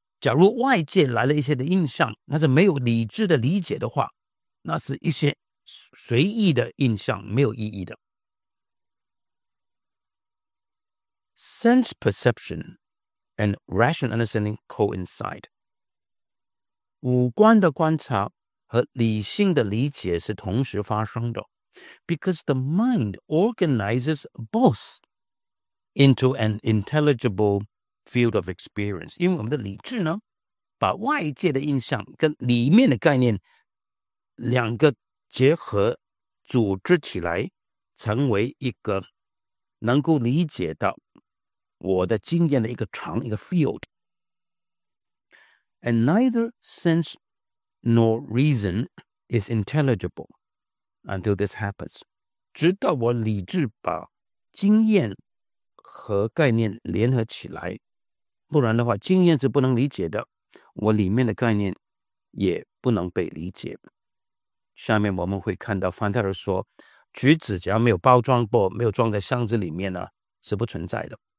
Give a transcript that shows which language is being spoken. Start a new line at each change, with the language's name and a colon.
Chinese: 假如外界来了一些的印象，那是没有理智的理解的话，那是一些随意的印象，没有意义的。
English: Sense perception and rational understanding coincide.
Chinese: 五官的观察和理性的理解是同时发生的。
English: Because the mind organizes both into an intelligible field of experience.
Chinese: 因为我们的理智呢，把外界的印象跟里面的概念两个结合组织起来，成为一个能够理解到我的经验的一个长一个 field.
English: And neither sense nor reason is intelligible until this happens.
Chinese: 直到我理智把经验和概念联合起来，不然的话经验是不能理解的，我里面的概念也不能被理解。下面我们会看到范泰尔说，橘子只要没有包装过，没有装在箱子里面呢，是不存在的。